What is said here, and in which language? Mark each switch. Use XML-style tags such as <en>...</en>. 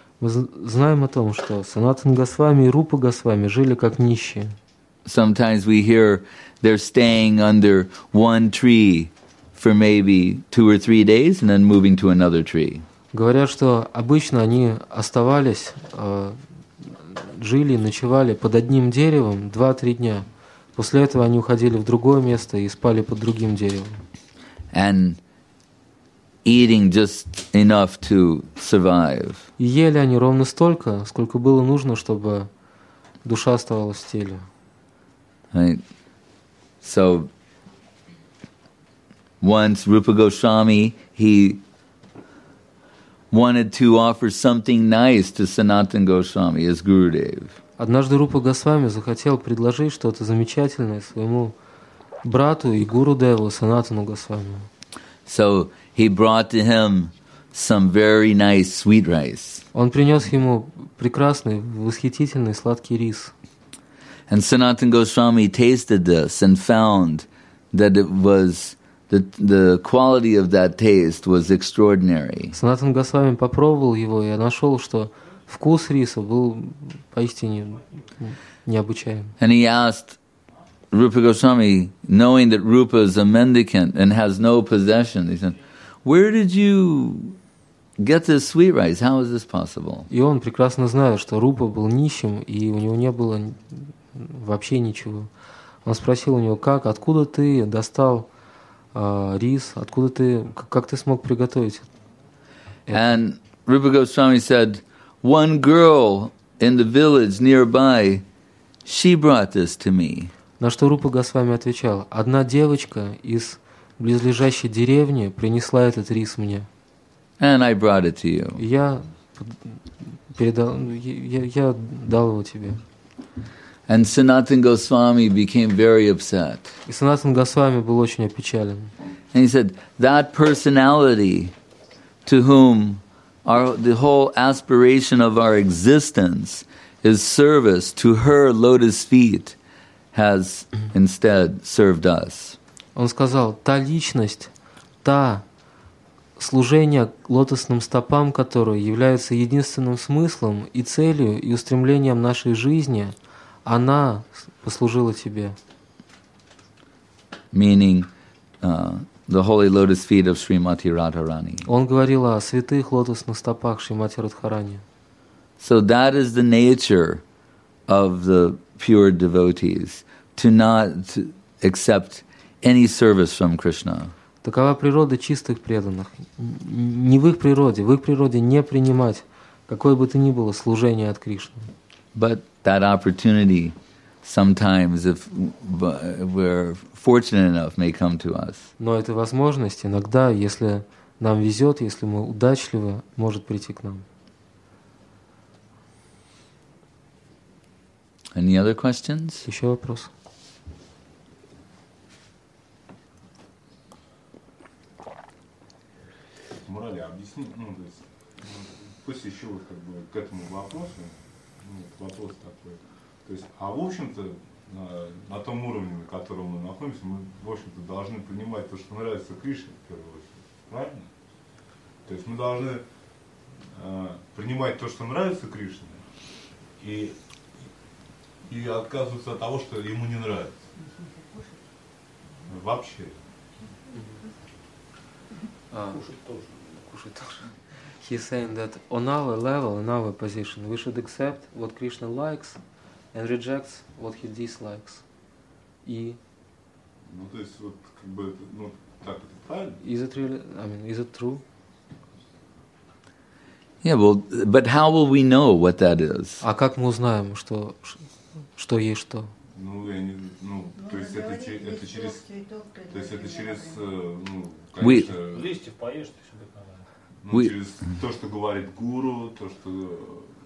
<ru>Мы знаем о том, что Санатан Госвами и Рупа Госвами жили как нищие.</ru> <en>Sometimes we hear they're staying under one tree for maybe 2 or 3 days and then moving to another tree.</en> <ru>Говорят, что обычно они оставались, жили, ночевали под одним деревом 2-3 дня. После этого они уходили в другое место и спали под другим деревом.</ru> <en>And eating just enough to survive.</en> <ru>И ели они ровно столько, сколько было нужно, чтобы душа оставалась в теле.</ru> <en>Right. So once Rupa Goswami, he wanted to offer something nice to Sanatan Goswami, his Gurudev.</en> <ru>Однажды Рупа Госвами захотел предложить что-то замечательное своему брату и Гурудеву Санатану Госвами.</ru> <en>So he brought to him some very nice sweet rice.</en> <ru>Он принес ему прекрасный, восхитительный сладкий рис.</ru> <en>And Sanatan Goswami tasted this and found that it was the quality of that taste was extraordinary.</en> <ru>Sanatan Goswami попробовал его и нашел, что вкус риса был поистине необычайным.</ru> <en>And he asked Rupa Goswami, knowing that Rupa is a mendicant and has no possession, he said, "Where did you get this sweet rice? How is this possible?"</en> <ru>И он прекрасно знает, что Рупа был нищим и у него не было вообще ничего. Он спросил у него, как, откуда ты достал рис, откуда ты, как ты смог приготовить это?</ru> <en>And Rupa Goswami said, "One girl in the village nearby, she brought this to me."</en> <ru>На что Рупа Госвами отвечал: "Одна девочка из близлежащей деревни принесла этот рис мне."</ru> <en>And I brought it to you.</en> <ru>Я дал его тебе.</ru> <en>And Sanatan Goswami became very upset.</en> <ru>И Санатан Госвами был очень опечален.</ru> <en>And he said, "That personality to whom the whole aspiration of our existence is service to her lotus feet has instead served us."</en> <ru>Он сказал, та личность, та служение лотосным стопам, которое является единственным смыслом и целью и устремлением нашей жизни, она послужила тебе.</ru> <en>Meaning, the holy lotus feet of Srimati Radharani.</en> <ru>Он говорил о святых лотосных стопах Шримати Радхарани.</ru> <en>So that is the nature of the pure devotees, to not accept any service from Krishna.</en> <ru>Такова природа чистых преданных. Не в их природе. В их природе не принимать какое бы то ни было служение от Кришны.</ru> <en>But that opportunity sometimes, if we're fortunate enough, may come to us.</en> <ru>Но эта возможность иногда, если нам везет, если мы удачливы, может прийти к нам.</ru> <en>Any other questions?</en> <ru>Еще вопрос. Морали, объясни, то есть, пусть еще вот как бы к этому вопросу, вопрос такой. То есть, а в общем-то, на том уровне, на котором мы находимся, мы, в общем-то, должны понимать то, что нравится Кришне, в первую очередь. Правильно? То есть мы должны принимать то, что нравится Кришне, и отказываться от того, что ему не нравится. Вообще. Кушать тоже.</ru> <en>He's saying that on our level, in our position, we should accept what Krishna likes and rejects what he dislikes.</en> <ru>И ну то есть вот как бы ну так это правильно?</ru> <en>Is it really? I mean, is it true? Yeah, well, but how will we know what that is?</en> <ru>А как мы узнаем, что что есть что? Ну я не ну то есть это через то есть это через ну конечно листьев поешь ты сюда. Ну, через то, что говорит гуру, то, что...</ru>